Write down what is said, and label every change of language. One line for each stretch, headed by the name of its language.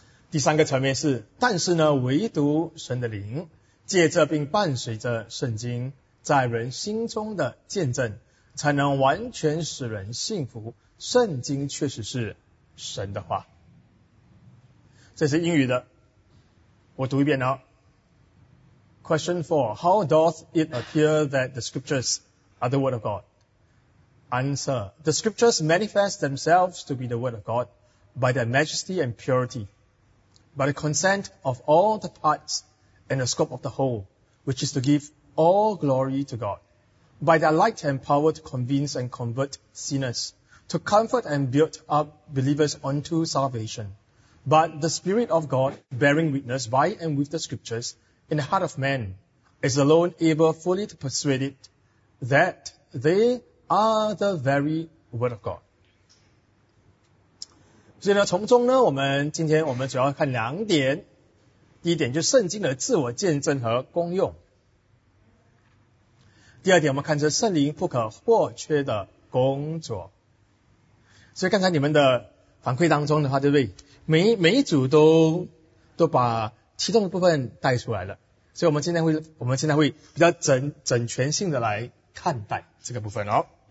Chinese: 第三个层面是，但是呢，唯独神的灵借着并伴随着圣经在人心中的见证，才能完全使人信服圣经确实是神的话。这是英语的，我读一遍哦。
English: Question 4: How doth it appear that the scriptures are the word of God? Answer: The scriptures manifest themselves to be the word of God by their majesty and purity, by the consent of all the parts and the scope of the whole, which is to give all glory to God, by their light and power to convince and convert sinners, to comfort and build up believers unto salvation. But the Spirit of God, bearing witness by and with the Scriptures in the heart of man, is alone able fully to persuade it that they are the very Word of God.
Chinese: 所以呢，从中呢，我们今天我们主要看两点。第一点就是圣经的自我见证和功用。第二点，我们看这圣灵不可或缺的工作。所以刚才你们的反馈当中的话，对不对？每一组都把其中的部分带出来了。所以我们现在会比较整全性的来看待这个部分哦。